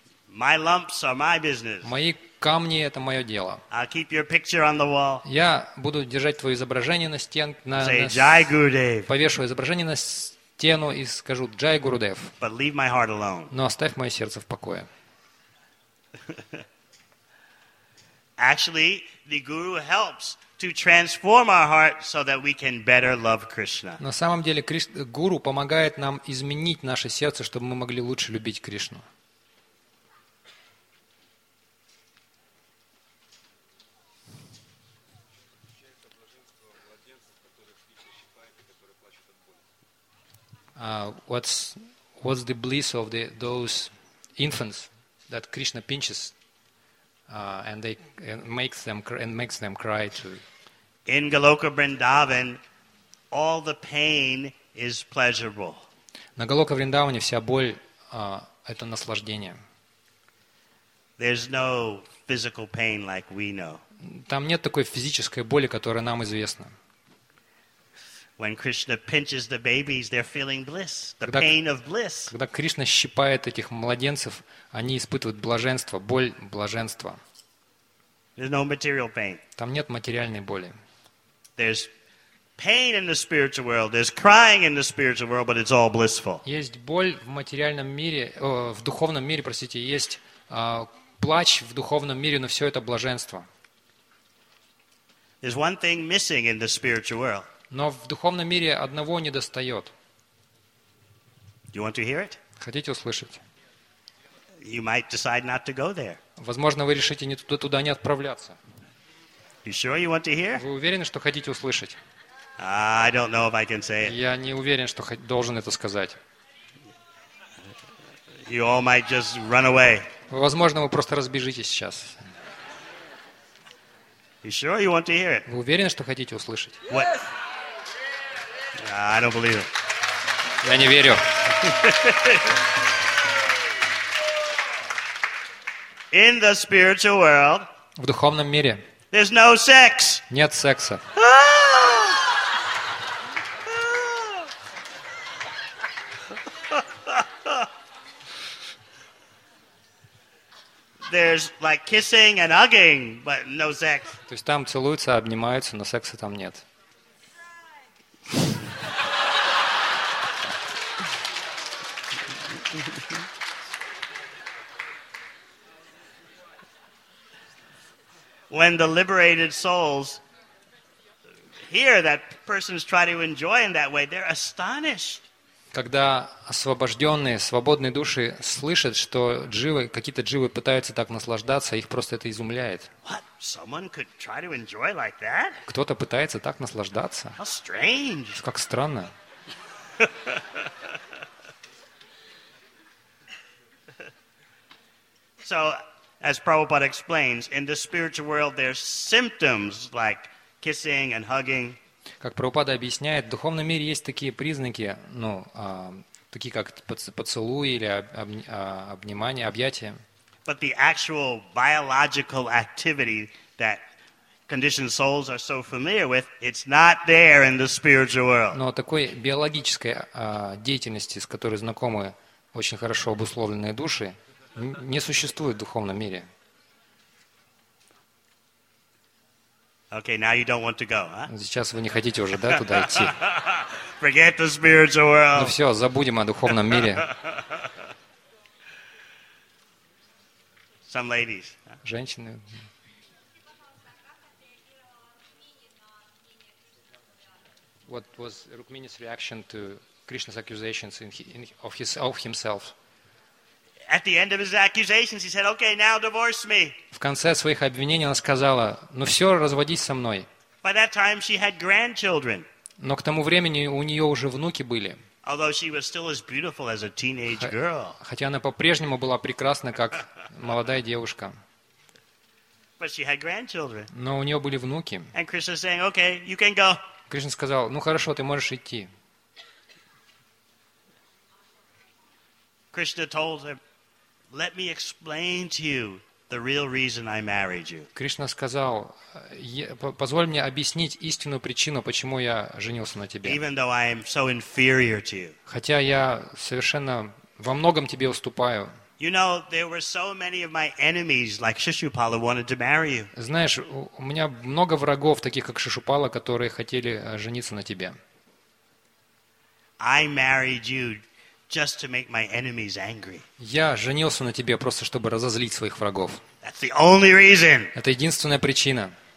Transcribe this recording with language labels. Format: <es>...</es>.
<en>My lumps are my business.</en> <ru>Мои камни это мое дело.</ru> <en>I'll keep your picture on the wall.</en> <ru>Я буду держать твое изображение на стенке.</ru> <en>Say Jai Gurudev.</en> <ru>Повешу изображение на стену и скажу Jai Gurudev.</ru> <en>But leave my heart alone.</en> <ru>Но оставь мое сердце в покое.</ru> <en>Actually, the guru helps to transform our heart so that we can better love Krishna.</en> <ru>На самом деле, гуру помогает нам изменить наше сердце, чтобы мы могли лучше любить Кришну.</ru> <en>What's the bliss of those infants that Krishna pinches? And makes them cry too. In Goloka Vrindavan, all the pain is pleasurable.</en> <ru>На Голока Вриндаване вся боль это наслаждение.</ru> <en>There's no physical pain like we know.</en> <ru>Там нет такой физической боли, которая нам известна.</ru> <en>When Krishna pinches the babies, they're feeling bliss, the pain of bliss.</en> <ru>Когда Кришна щипает этих младенцев, они испытывают блаженство, боль блаженства.</ru> <en>There's no material pain.</en> <ru>Там нет материальной боли.</ru> <en>There's pain in the spiritual world. There's crying in the spiritual world, but it's all blissful.</en> <ru>Есть боль в материальном мире, в духовном мире, простите, есть плач в духовном мире, но все это блаженство.</ru> <en>There's one thing missing in the spiritual world.</en> <ru>Но в духовном мире одного не достает.</ru> <en>Do you want to hear it?</en> <ru>Хотите услышать?</ru> <en>You might decide not to go there.</en> <ru>Возможно, вы решите не туда, туда не отправляться.</ru> <en>You sure you want to hear?</en> <ru>Вы уверены, что хотите услышать?</ru> <en>I don't know if I can say it.</en> <ru>Я не уверен, что должен это сказать.</ru> <en>You all might just run away.</en> <ru>Возможно, вы просто разбежитесь сейчас.</ru> <en>You sure you want to hear it?</en> <ru>Вы уверены, что хотите услышать?</ru> <en>What? I don't believe it.</en> <ru>Я не верю.</ru> <en>In the spiritual world.</en> <ru>В духовном мире.</ru> <en>There's no sex.</en> <ru>Нет секса.</ru> <en>There's like kissing and hugging, but no sex.</en> <ru>То есть там целуются, обнимаются, но секса там нет.</ru> <en>When the liberated souls hear that persons try to enjoy in that way, they're astonished.</en> <ru>Когда освобожденные, свободные души слышат, что дживы, какие-то дживы пытаются так наслаждаться, их просто это изумляет.</ru> <en>What? Someone could try to enjoy like that?</en> <ru>Кто-то пытается так наслаждаться.</ru> <en>How strange.</en> <ru>Как странно.</ru> <en>So, as Prabhupada explains, in the spiritual world there's symptoms like kissing and hugging.</en> <ru>Как Прабхупада объясняет, в духовном мире есть такие признаки, ну, такие как поцелуи или обнимание, объятия.</ru> <en>But the actual biological activity that conditioned souls are so familiar with, it's not there in the spiritual world.</en> <ru>Но такой биологической деятельности, с которой знакомы очень хорошо обусловленные души, не существует в духовном мире.</ru> <en>Okay, now you don't want to go, huh?</en> <ru>Сейчас вы не хотите уже, да, туда идти?</ru> <en>Forget the spiritual world.</en> <ru>Ну все, забудем о духовном мире.</ru> <en>Some ladies.</en> <ru>Женщины.</ru> <en>What was Rukmini's reaction to Krishna's accusations of himself? At the end of his accusations, he said, "Okay, now divorce me."</en> <ru>В конце своих обвинений она сказала: "Ну все, разводись со мной."</ru> <en>By that time, she had grandchildren.</en> <ru>Но к тому времени у нее уже внуки были.</ru> <en>Although she was still as beautiful as a teenage girl.</en> <ru>Хотя она по-прежнему была прекрасна как молодая девушка.</ru> <en>But she had grandchildren.</en> <ru>Но у нее были внуки.</ru> <en>And Krishna saying, "Okay, you can go."</en> <ru>Кришна сказал: "Ну хорошо, ты можешь идти."</ru> <en>Krishna told him, "Let me explain to you the real reason I married you."</en> <ru>Кришна сказал: "Позволь мне объяснить истинную причину, почему я женился на тебе."</ru> <en>Even though I am so inferior to you.</en> <ru>Хотя я совершенно во многом тебе уступаю.</ru> <en>You know, there were so many of my enemies, like Shishupala, wanted to marry you.</en> <ru>Знаешь, у меня много врагов, таких как Шишупала, которые хотели жениться на тебе.</ru> <en>I married you. Just to make my enemies angry.</en> <ru>Я женился на тебе просто чтобы разозлить своих врагов.</ru> <en>That's the only reason.</en> <ru>Это единственная причина.</ru>